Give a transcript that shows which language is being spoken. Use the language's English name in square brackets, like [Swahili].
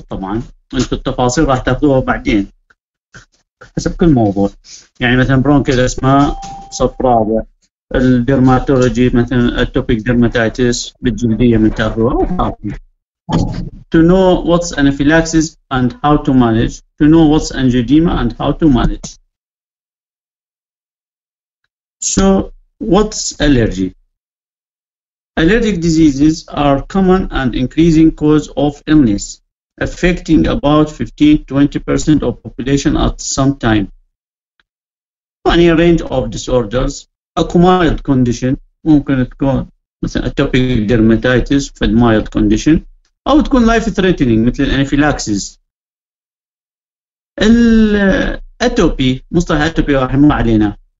[Arabic] طبعا انتم التفاصيل راح تاخذوها بعدين حسب كل موضوع. يعني مثلا برونكيال اسما صف رابع، الديرماتولوجي مثلا اتوبيك ديرماتايتس بالجلديه من تاخذوها. [English] To know what's anaphylaxis and how to manage. To know what's angioedema and how to manage. So, what's allergy? Allergic diseases are common and increasing cause of illness, affecting about 15-20% of population at some time. Any range of disorders, a mild condition, [Arabic] ممكن تكون مثلا [English] atopic dermatitis [Arabic] في [English] mild condition, [Arabic] أو تكون [English] life-threatening [Arabic] مثل الأنفيلاكسيز. الأتوبي، مصطلح أتوبي راح يمر علينا.